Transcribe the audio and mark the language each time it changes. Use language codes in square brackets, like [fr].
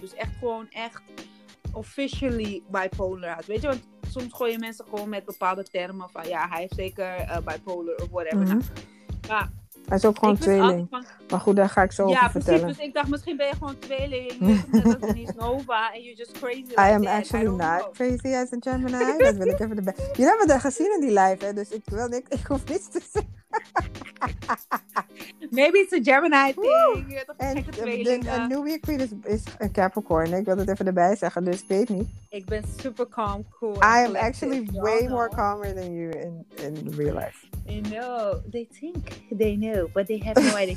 [nl] Dus echt gewoon echt officially bipolar had. Weet je, want soms gooien mensen gewoon met bepaalde termen van ja, hij heeft zeker bipolar of whatever. Mm-hmm. Hij is ook gewoon tweeling. Maar goed, daar ga ik zo over vertellen. Ja, precies. Dus ik dacht, misschien ben je gewoon tweeling. Dat is niet Nova. En [en] you're just crazy. [nl] Like [en] I am actually not crazy as a Gemini. [nl] Dat wil ik even erbij. Jullie hebben dat gezien in die live, hè? Dus ik hoef niets te zeggen. [en] Maybe it's a Gemini thing. [nl] Je bent een gekke tweeling. Nubia Queen is een Capricorn. Ik wil het even erbij zeggen, dus ik weet niet. Ik ben super calm, cool. [en] I am actually way more calmer than you in real life. You know, they think they know, but they have no idea.